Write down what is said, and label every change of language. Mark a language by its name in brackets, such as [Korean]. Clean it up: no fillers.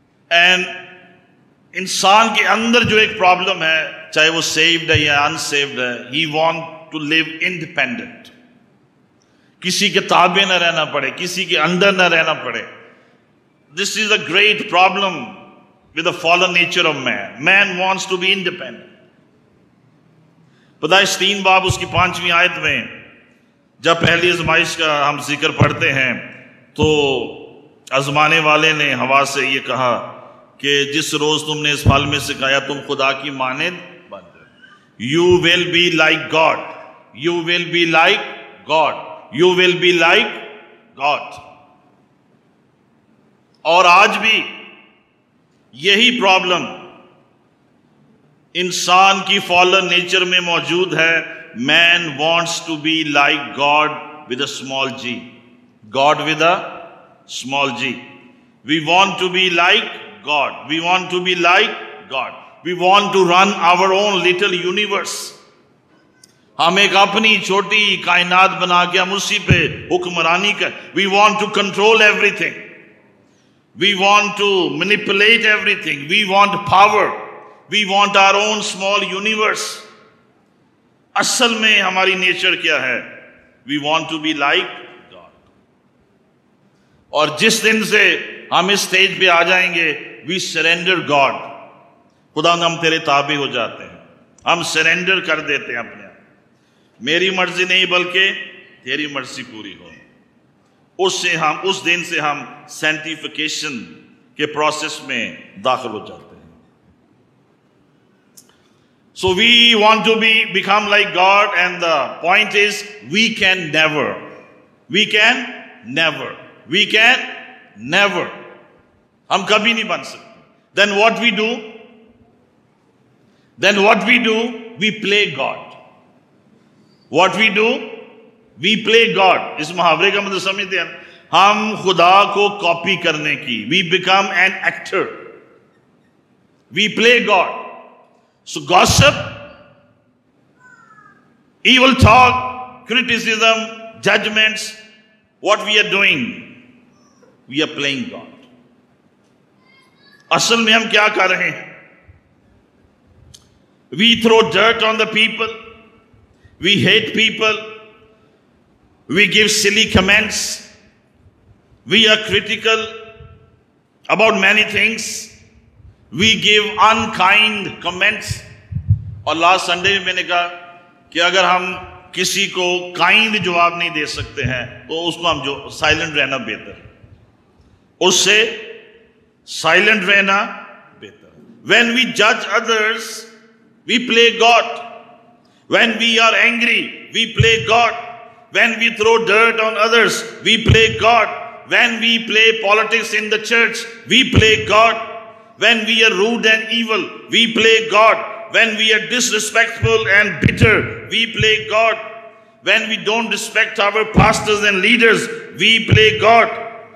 [Urdu] And انسان کے اندر جو ایک پرابلم ہے، چاہے وہ سیوڈ ہے یا انسیوڈ ہے، [English] He want to live independent. [Urdu] کسی کے تابع نہ رہنا پڑے، کسی کے اندر نہ رہنا پڑے. [English] This is a great problem with the fallen nature of man. Man wants to be independent. [Urdu] پیدائش 3 باب اس کی 5 آیت میں جب پہلی آزمائش کا ہم ذکر پڑھتے ہیں، تو آزمانے والے نے ہوا سے یہ کہا کہ جس روز تم نے اس پھل میں سے کھایا تم خدا کی مانند بن گئے. [English] You will be like God, you will be like God, you will be like God. [Urdu] اور آج بھی یہی پرابلم انسان کی فالن نیچر میں موجود ہے. [English] Man wants to be like God with a small g, God with a small g. We want to be like God. We want to be like God. We want to run our own little universe. [Urdu] ہم ایک اپنی چھوٹی کائنات بنا کے ہم اسی پہ حکمرانی کر. [English] We want to control everything. We want to manipulate everything. We want power. We want our own small universe. [Urdu] اصل میں ہماری نیچر کیا ہے؟ [English] We want to be like. [Urdu] اور جس دن سے ہم اس سٹیج پہ آ جائیں گے، [English] we surrender God, [Urdu] خدا ہم تیرے تابع ہو جاتے ہیں، ہم سرینڈر کر دیتے ہیں اپنے آپ. میری مرضی نہیں بلکہ تیری مرضی پوری ہو. اس دن سے ہم سینٹیفیکیشن کے پروسیس میں داخل ہو جاتے ہیں. [English] So we want to be become like God, and the point is we can never, we can never, we can never. [Urdu] ہم کبھی نہیں بن سکتے. [English] Then what we do, then what we do, we play God. What we do, we play God. [Urdu] اس محاورے کا مطلب سمجھتے ہیں؟ ہم خدا کو کاپی کرنے کی، [English] we become an actor, we play God. So gossip, evil talk, criticism, judgments, what we are doing, we are playing God. [Urdu] اصل میں ہم کیا کر رہے ہیں؟ [English] We throw dirt on the people. We hate people. We give silly comments. We are critical about many things. We give unkind comments. [Urdu] اور last Sunday میں نے کہا کہ اگر ہم کسی کو kind جواب نہیں دے سکتے ہیں، تو اس کو ہم جو silent رہنا بہتر ہے، اس سے سائلنٹ رہنا بہتر. [English] when we جج ادرس وی play God, when we are angry we play God, when we through dirt on others we play God, when we play politics in the church we play God, when we are road and evil we play God, when we are dish respectful and butter we play God, when we don't respect our pastors and leaders we play God,